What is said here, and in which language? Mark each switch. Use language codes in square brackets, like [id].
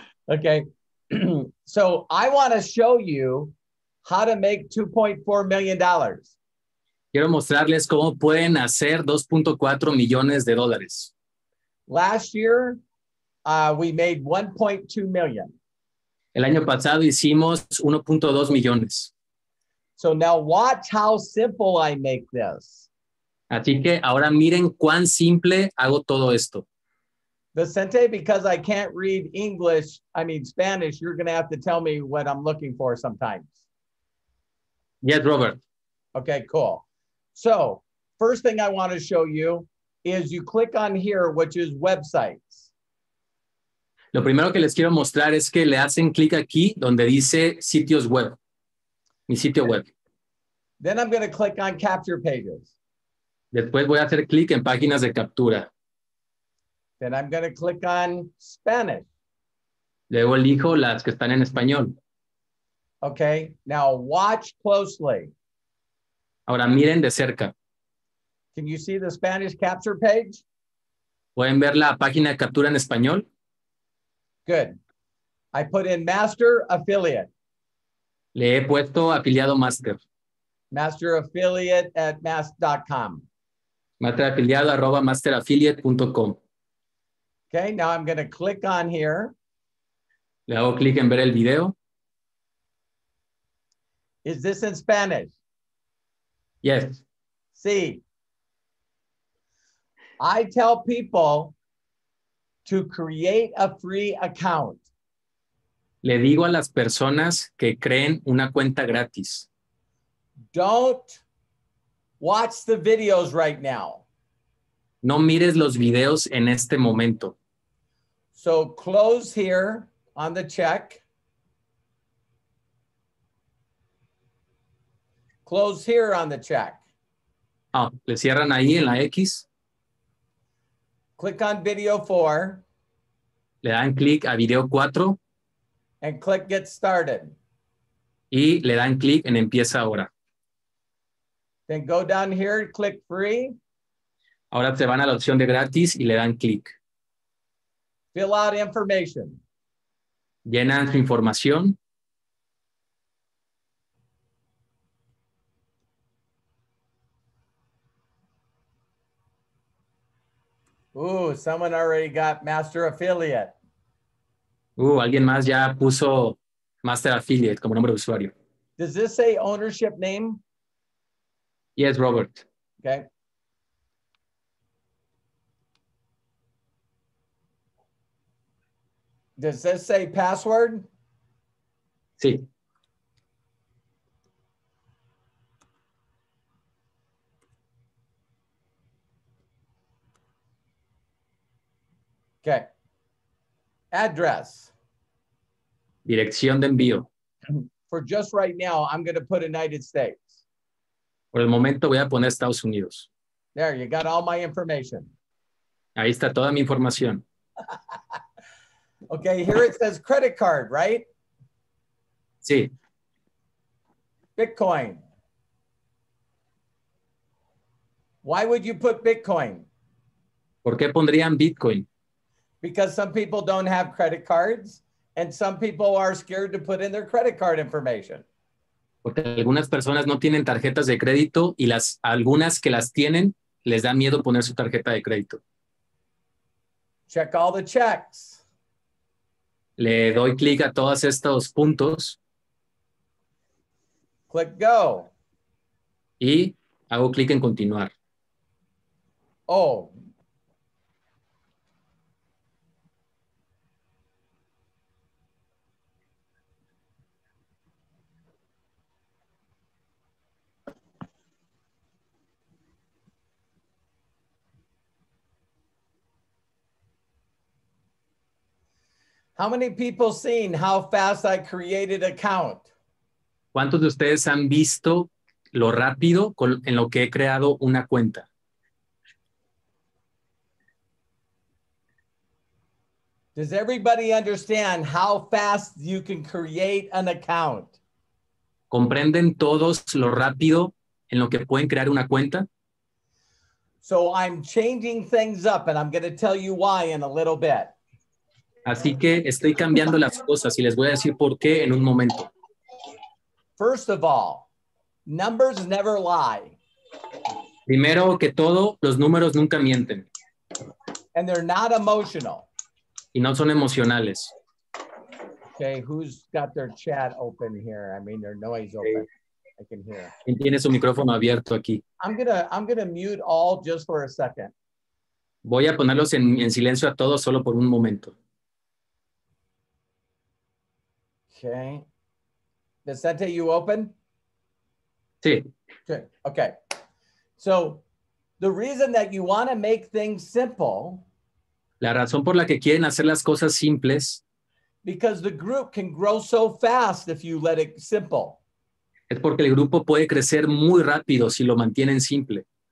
[en] Okay, so I want to show you how to make $2.4 million. [es] Quiero mostrarles cómo pueden hacer 2.4 millones de dólares. [en] Last year, we made 1.2 million. [es] El año pasado hicimos 1.2 millones. [en] So now watch how simple I make this. [es] Así que ahora miren cuán simple hago todo esto. [en] Vicente, because I can't read English, I mean Spanish, you're going to have to tell me what I'm looking for sometimes. Yes, Robert. Okay, cool. So, first thing I want to show you is you click on here, which is websites. [es] Lo primero que les quiero mostrar es que le hacen clic aquí donde dice sitios web. Mi sitio web. [en] Then I'm going to click on capture pages. [es] Después voy a hacer clic en páginas de captura. [en] Then I'm going to click on Spanish. [es] Luego elijo las que están en español. [en] Okay, now watch closely. [es] Ahora miren de cerca. [en] Can you see the Spanish capture page? [es] ¿Pueden ver la página de captura en español? [en] Good. I put in Master Affiliate. [es] Le he puesto afiliado Master. [en] Master Affiliate at mas.com. [es] Master Affiliado arroba masterafiliate.com. [en] Okay, now I'm going to click on here. [es] Le hago clic en ver el video. [en] Is this in Spanish? Yes. [es] Sí. [en] I tell people to create a free account. [es] Le digo a las personas que creen una cuenta gratis. [en] Don't watch the videos right now. [es] No mires los videos en este momento. [en] So close here on the check. Close here on the check. [es] Ah, le cierran ahí en la X. [en] Click on video 4. [es] Le dan clic a video 4. [en] And click get started. [es] Y le dan clic en empieza ahora. [en] Then go down here, click free. [es] Ahora se van a la opción de gratis y le dan clic. [en] Fill out information. [es] Llenan su información. [en] Ooh, someone already got Master Affiliate. [es] Ooh, alguien más ya puso Master Affiliate como nombre de usuario. [en] Does this say ownership name? Yes, Robert. Okay. Does this say password? [es] Sí. [en] Okay. Address. [es] Dirección de envío. [en] For just right now, I'm going to put United States. [es] Por el momento voy a poner Estados Unidos. [en] There, you got all my information. [es] Ahí está toda mi información. [en] Okay, here it says credit card, right? [es] Sí. [en] Bitcoin. Why would you put Bitcoin? [es] ¿Por qué pondrían Bitcoin? [en] Because some people don't have credit cards and some people are scared to put in their credit card information. [es] Porque algunas personas no tienen tarjetas de crédito y las algunas que las tienen les da miedo poner su tarjeta de crédito. [en] Check all the checks. [es] Le doy clic a todos estos puntos. [en] Click go. [es] Y hago clic en continuar. [en] Oh. How many people seen how fast I created account? [es] ¿Cuántos de ustedes han visto lo rápido con, en lo que he creado una cuenta? [en] Does everybody understand how fast you can create an account? [es] ¿Comprenden todos lo rápido en lo que pueden crear una cuenta? [en] So I'm changing things up and I'm going to tell you why in a little bit. [es] Así que estoy cambiando las cosas y les voy a decir por qué en un momento. [en] First of all, numbers never lie. [es] Primero que todo, los números nunca mienten. [en] And they're not emotional. [es] Y no son emocionales. [en] Okay, who's got their chat open here? I mean, their noise open. I can hear. [es] ¿Quién tiene su micrófono abierto aquí? [en] I'm gonna mute all just for a second. [es] Voy a ponerlos en silencio a todos solo por un momento. [en] Okay. Vicente, you open? [es] Sí. [en] Good. Okay. So the reason that you want to make things simple. [es] La razón por la que quieren hacer las cosas simples. [en] Because the group can grow so fast if you let it simple. [es] Es porque el grupo puede crecer muy rápido si lo mantienen simple.